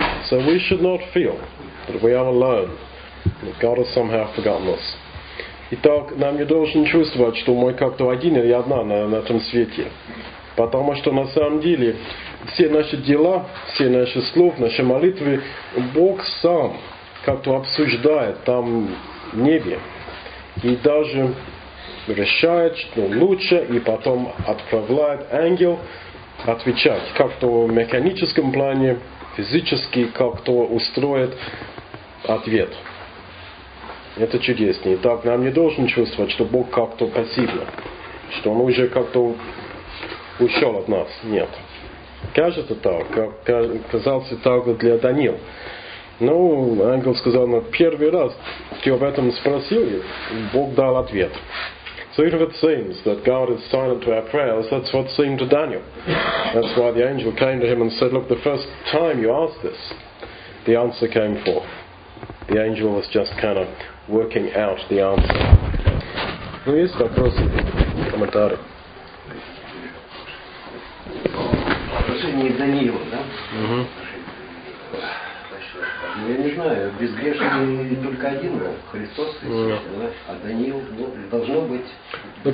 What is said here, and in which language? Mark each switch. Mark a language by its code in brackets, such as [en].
[en] So we should not feel that we are alone. God has somehow forgotten us. [ru] Итак, нам не должен чувствовать, что мы как-то один или одна на этом свете. Потому что на самом деле все наши дела, все наши слова, наши молитвы, Бог сам как-то обсуждает там в небе. И даже решает, что лучше, и потом отправляет ангел отвечать. Как-то в механическом плане, физически как-то устроит ответ. Это чудеснее. Итак, нам не должен чувствовать, что Бог как-то пассивно, что Он уже как-то ушел от нас. Нет. Кажется так, как казался так для Даниил. Ангел сказал, первый раз ты об этом спросил, и Бог дал ответ. [en] So even if it seems that God is silent to our prayers, that's what seemed to Daniel. That's why the angel came to him and said, look, the first time you asked this, the answer came forth. The angel was just kind of working out the answer. [ru] Ну, есть вопросы, комментарии? Отношение к Даниилу, да? Угу. Я не знаю, безгрешный только один, да? Христос, Христос, да? А Даниил, должно быть...